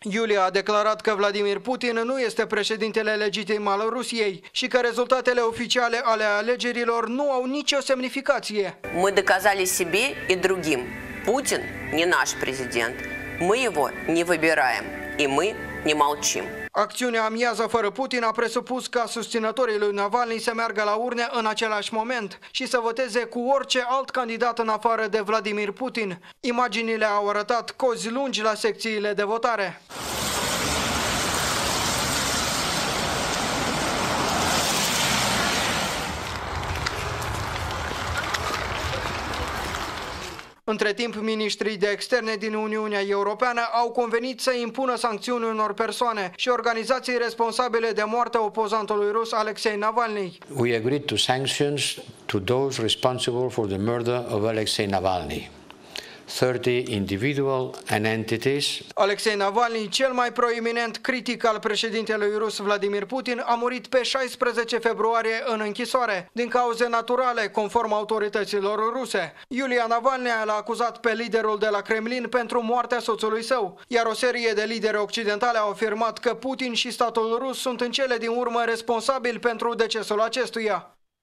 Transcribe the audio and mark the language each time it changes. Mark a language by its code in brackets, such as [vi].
[ru] Юлия декларат, что Владимир Путин не является президентом легитимной России и что результаты официальных выборов не имеют никакой сигнификации. Мы доказали себе и другим. Путин не наш президент. Мы его не выбираем и мы не молчим. [ro] Acțiunea amiază fără Putin a presupus ca susținătorii lui Navalny să meargă la urne în același moment și să voteze cu orice alt candidat în afară de Vladimir Putin. Imaginile au arătat cozi lungi la secțiile de votare. Între timp, miniștrii de externe din Uniunea Europeană au convenit să impună sancțiuni unor persoane și organizații responsabile de moartea opozantului rus Alexei Navalny. [en] We agreed to sanctions to those responsible for the murder of Alexei Navalny. 30 individual and entities. [ro] Alexei Navalny, cel mai proeminent critic al președintelui rus Vladimir Putin, a murit pe 16 februarie în închisoare, din cauze naturale, conform autorităților ruse. Iulia Navalny l-a acuzat pe liderul de la Kremlin pentru moartea soțului său, iar o serie de lideri occidentale au afirmat că Putin și statul rus sunt în cele din urmă responsabili pentru decesul acestuia.